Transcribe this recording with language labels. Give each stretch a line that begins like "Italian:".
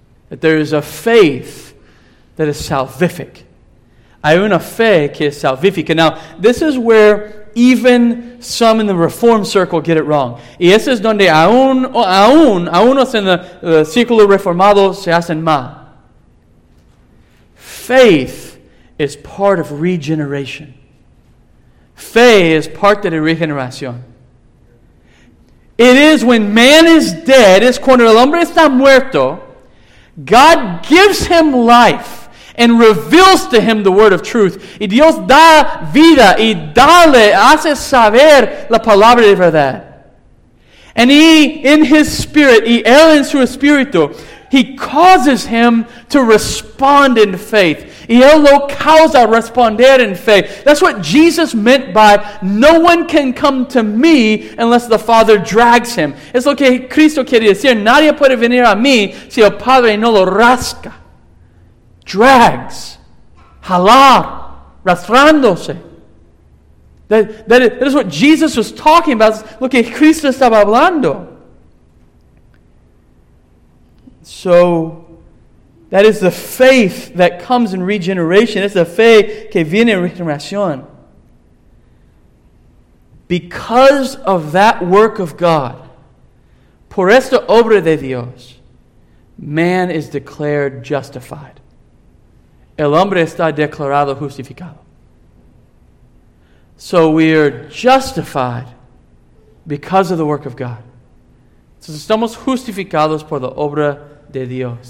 English: That there is a faith that is salvific.
Spanish: Hay una fe que es salvífica.
English: Now, this is where even some in the reform circle get it wrong.
Spanish: Y eso es donde aún en el círculo reformado se hacen mal.
English: Faith is part of regeneration.
Spanish: Fe es parte de regeneración.
English: It is when man is dead,
Spanish: es cuando el hombre está muerto,
English: God gives him life and reveals to him the word of truth.
Spanish: Y Dios da vida y dale, hace saber la palabra de verdad.
English: And he, in his spirit,
Spanish: y él en su espíritu,
English: he causes him to respond in faith.
Spanish: Y él lo causa responder en fe.
English: That's what Jesus meant by no one can come to me unless the Father drags him.
Spanish: Es lo que Cristo quería decir. Nadie puede venir a mí si el Padre no lo rasca.
English: Drags.
Spanish: Jalar. Rastrándose.
English: That is what Jesus was talking about.
Spanish: Lo que Cristo estaba hablando.
English: So, that is the faith that comes in regeneration. It's the
Spanish: fe que viene en regeneración.
English: Because of that work of God,
Spanish: por esta obra de Dios,
English: man is declared justified.
Spanish: El hombre está declarado justificado.
English: So we are justified because of the work of God.
Spanish: So estamos justificados por la obra de Dios.